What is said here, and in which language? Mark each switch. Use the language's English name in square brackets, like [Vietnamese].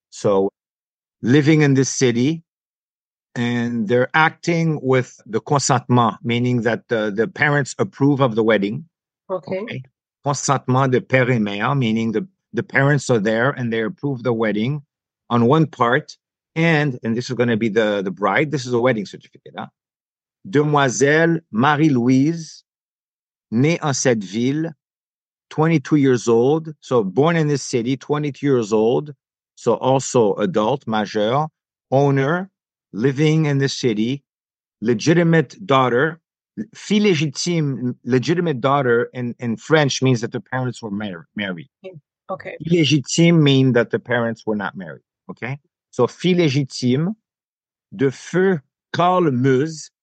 [English] So living in this city, and they're acting with the consentement, meaning that the parents approve of the wedding. Okay. [French] Consentement de père et mère, [English] meaning the parents are there and they approve the wedding on one part. And this is going to be the bride. This is a wedding certificate. Huh? [French] Demoiselle Marie-Louise, née en cette ville, [English] 22 years old. So born in this city, 22 years old. So also adult, majeur, owner, living in the city, legitimate daughter, fille légitime, legitimate daughter in French means that the parents were married. Okay. Fille légitime mean that the parents were not married. Okay. So fille légitime, de feu Calmeuse.